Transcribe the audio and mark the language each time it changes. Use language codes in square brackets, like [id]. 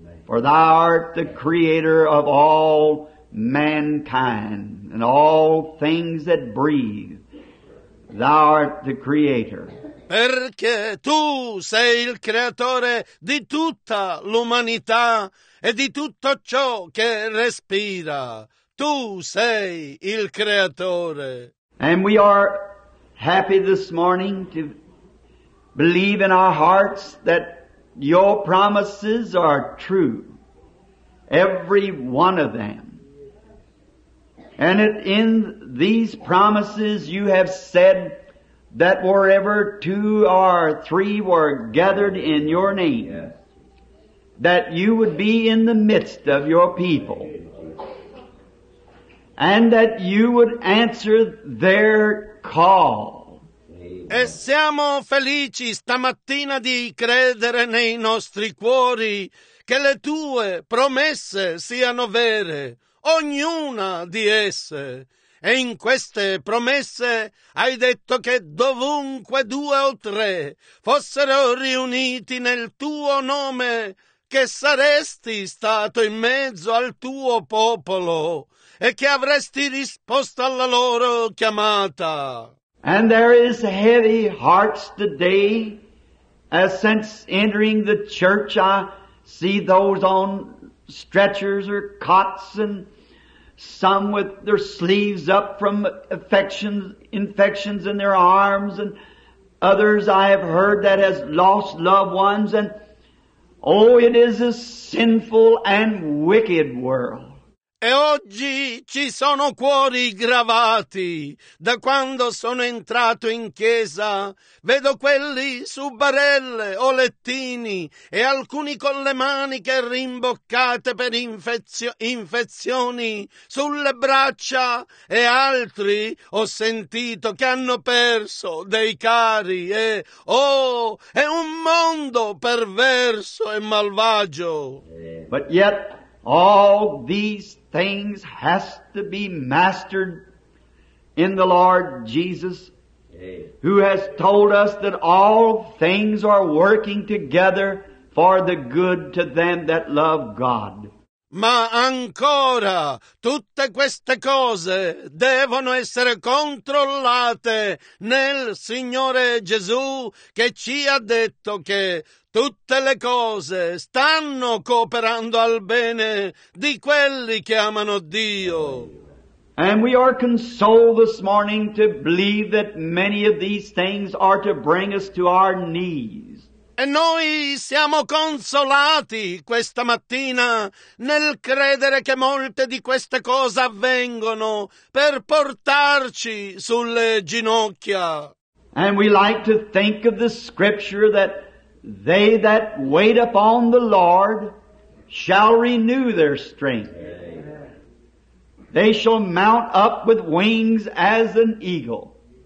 [en] For Thou art the creator of all mankind and all things that breathe. Thou art the creator. [it] Perché tu sei il creatore di tutta l'umanità e di tutto ciò che respira. Tu sei il creatore. [en] And we are happy this morning to believe in our hearts that your promises are true, every one of them. And in these promises you have said that wherever two or three were gathered in your name, that you would be in the midst of your people, and that you would answer their call. [it] E siamo felici stamattina di credere nei nostri cuori che le tue promesse siano vere, ognuna di esse. E in queste promesse hai detto che dovunque due o tre fossero riuniti nel tuo nome, che saresti stato in mezzo al tuo popolo e che avresti risposto alla loro chiamata. [en] And there is heavy hearts today, as since entering the church I see those on stretchers or cots, and some with their sleeves up from infections in their arms, and others I have heard that has lost loved ones, and oh, it is a sinful and wicked world. [it] E oggi ci sono cuori gravati. Da quando sono entrato in chiesa, vedo quelli su barelle o lettini e alcuni con le maniche rimboccate per infezioni sulle braccia, e altri ho sentito che hanno perso dei cari, e oh, è un mondo perverso e malvagio. [en] But yet all these things has to be mastered in the Lord Jesus, who has told us that all things are working together for the good to them that love God. [it] Ma ancora tutte queste cose devono essere controllate nel Signore Gesù, che ci ha detto che tutte le cose stanno cooperando al bene di quelli che amano Dio. [en] And we are consoled this morning to believe that many of these things are to bring us to our knees. [it] E noi siamo consolati questa mattina nel credere che molte di queste cose avvengono per portarci sulle ginocchia. [en] And we like to think of the scripture that they that wait upon the Lord shall renew their strength. They shall mount up with wings as an eagle.